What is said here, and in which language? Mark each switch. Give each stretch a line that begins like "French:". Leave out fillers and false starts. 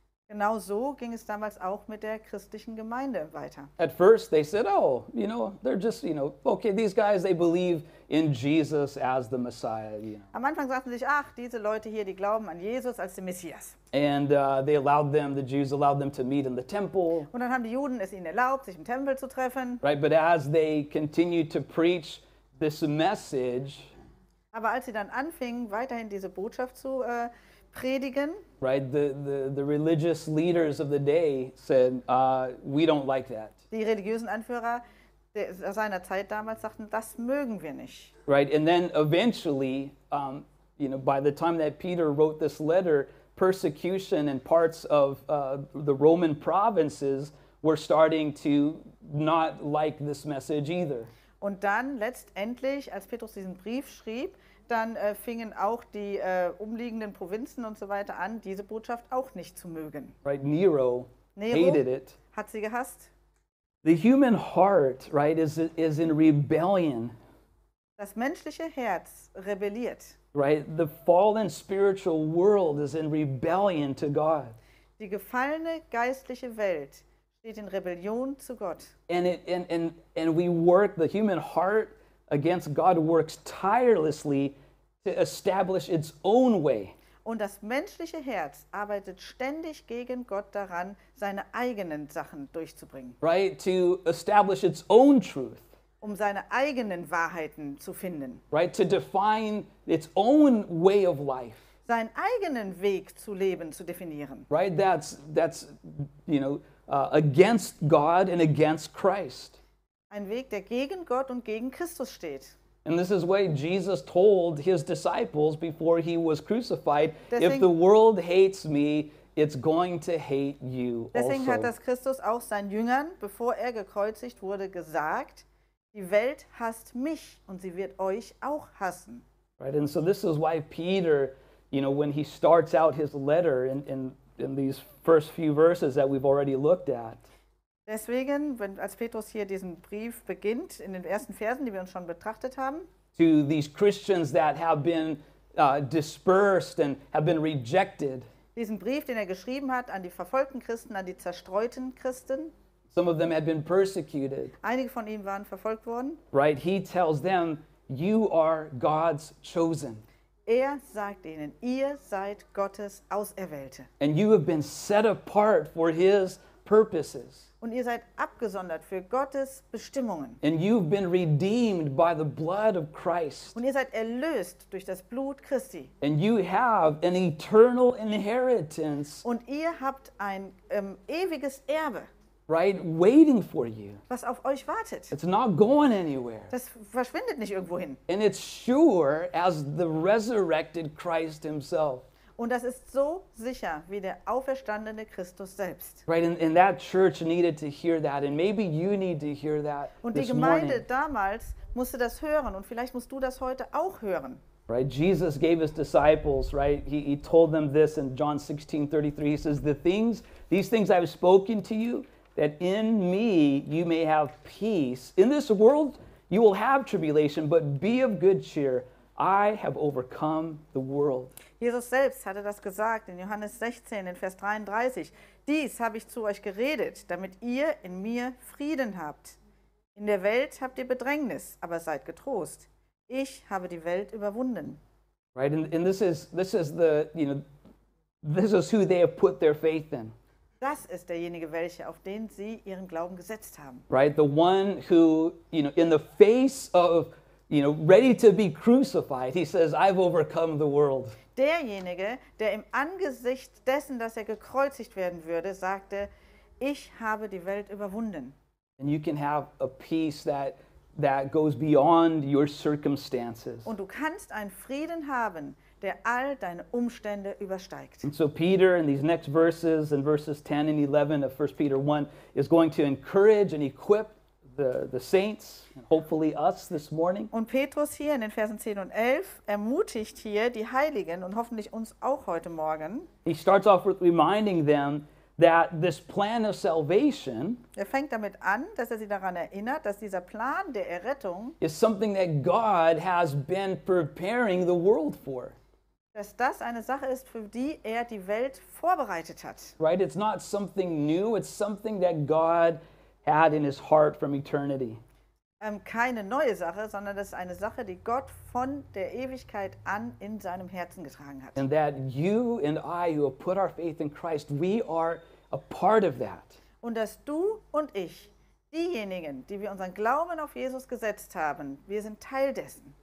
German: Genau so ging es damals auch mit der christlichen Gemeinde weiter.
English: At first they said, oh, you know, they're just, you know, okay, these guys, they believe in Jesus as the Messiah. You know.
German: Am Anfang sagten sie sich, ach, diese Leute hier, die glauben an Jesus als den Messias.
English: And they allowed them, the Jews allowed them to meet in the temple.
German: Und dann haben die Juden es ihnen erlaubt, sich im Tempel zu treffen.
English: Right, but as they continued to preach this message.
German: Aber als sie dann anfingen, weiterhin diese Botschaft zu predigen.
English: Right, the religious leaders of the day said, we don't like that.
German: Die religiösen Anführer seiner Zeit damals sagten, das mögen wir nicht.
English: Right, and then eventually, you know, by the time that Peter wrote this letter, persecution in parts of the Roman provinces were starting to not like this message either.
German: Und dann letztendlich, als Petrus diesen Brief schrieb, dann fingen auch die umliegenden Provinzen und so weiter an, diese Botschaft auch nicht zu mögen.
English: Right, Nero,
German: Nero
English: hated it.
German: Hat sie gehasst.
English: The human heart, right, is in rebellion.
German: Das menschliche Herz rebelliert.
English: Right, the fallen spiritual world is in rebellion to God.
German: Die gefallene geistliche Welt steht in Rebellion zu Gott.
English: And it, and we work, the human heart against God works tirelessly to establish its own way.
German: Und das menschliche Herz arbeitet ständig gegen Gott daran, seine eigenen Sachen durchzubringen.
English: Right, to establish its own truth.
German: Um seine eigenen Wahrheiten zu finden.
English: Right, to define its own way of life.
German: Seinen eigenen Weg zu leben zu definieren.
English: Right, that's you know, against God and against Christ.
German: Ein Weg, der gegen Gott und gegen Christus steht.
English: And this is why Jesus told his disciples before he was crucified, deswegen, if the world hates me, it's going to hate you
German: deswegen
English: also.
German: Deswegen hat das Christus auch seinen Jüngern, bevor er gekreuzigt wurde, gesagt, die Welt hasst mich und sie wird euch auch hassen.
English: Right, and so this is why Peter, you know, when he starts out his letter in these first few verses that we've already looked at.
German: Deswegen, wenn, als Petrus hier diesen Brief beginnt, in den ersten Versen, die wir uns schon betrachtet haben.
English: To these Christians that have been dispersed and have been rejected.
German: Diesen Brief, den er geschrieben hat, an die verfolgten Christen, an die zerstreuten Christen.
English: Some of them had been persecuted.
German: Einige von ihnen waren verfolgt worden.
English: Right, he tells them, you are God's chosen.
German: Er sagt ihnen, ihr seid Gottes Auserwählte.
English: And you have been set apart for his purposes.
German: Und ihr seid abgesondert für Gottes Bestimmungen.
English: And you've been redeemed by the blood of Christ.
German: Und ihr seid erlöst durch das Blut Christi.
English: And you have an eternal inheritance.
German: Und ihr habt ein ewiges Erbe.
English: Right, waiting for you.
German: Was auf euch wartet.
English: It's not going anywhere.
German: Das verschwindet nicht irgendwohin.
English: And it's sure as the resurrected Christ himself.
German: Und das ist so sicher wie der auferstandene Christus selbst.
English: Right, and that church needed to hear that, and maybe you need to hear that.
German: Und die Gemeinde damals musste das hören, und vielleicht musst du das heute auch hören.
English: Right, Jesus gave his disciples, right, he told them this in John 16:33. He says, these things I've spoken to you, that in me you may have peace. In this world you will have tribulation, but be of good cheer. I have overcome the world.
German: Jesus selbst hatte das gesagt in Johannes 16, in Vers 33. Dies habe ich zu euch geredet, damit ihr in mir Frieden habt. In der Welt habt ihr Bedrängnis, aber seid getrost. Ich habe die Welt überwunden.
English: Right, and this is the, you know, this is who they have put their faith in.
German: Das ist derjenige, welcher auf den sie ihren Glauben gesetzt haben.
English: Right, the one who, you know, in the face of, you know, ready to be crucified, he says, I've overcome the world.
German: Derjenige, der im Angesicht dessen, dass er gekreuzigt werden würde, sagte, ich habe die Welt überwunden.
English: And you can have a peace that goes beyond your circumstances.
German: Und du kannst einen Frieden haben, der all deine Umstände übersteigt.
English: And so Peter, in these next verses, in verses 10 and 11 of 1 Peter 1, is going to encourage and equip the saints, and hopefully us this morning.
German: Und Petrus hier in den Versen 10 und 11 ermutigt hier die Heiligen und hoffentlich uns auch heute Morgen.
English: He starts off with reminding them that this plan of salvation,
German: er fängt damit an, dass er sie daran erinnert, dass dieser Plan der Errettung,
English: is something that God has been preparing the world for.
German: Dass das eine Sache ist, für die er die Welt vorbereitet hat.
English: Right, it's not something new, it's something that God had in his heart from eternity.
German: Keine neue Sache, sondern das ist eine Sache, die Gott von der Ewigkeit an in seinem Herzen getragen hat.
English: And that you and I who have put our faith in Christ, we are a part of that.
German: Und dass du und ich, diejenigen, die wir unseren Glauben auf Jesus gesetzt haben, wir sind Teil dessen.